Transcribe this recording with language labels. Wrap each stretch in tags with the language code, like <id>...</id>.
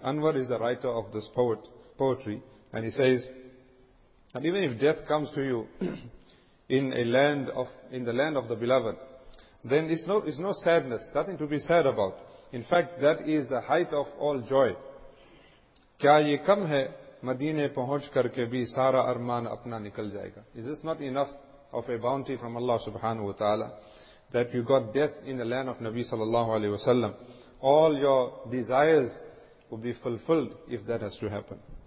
<en>Anwar is the writer of this poetry, and he says, and even if death comes to you in the land of the beloved, then it's no sadness, nothing to be sad about. In fact, that is the height of all joy.</en> <ur>کیا یہ کم ہے مدینے پہنچ کر کے بھی سارا ارمان اپنا نکل جائے گا.</ur> <en>Is this not enough of a bounty from Allah subhanahu wa ta'ala that you got death in the land of Nabi sallallahu alayhi wa sallam? All your desires will be fulfilled if that has to happen.</en>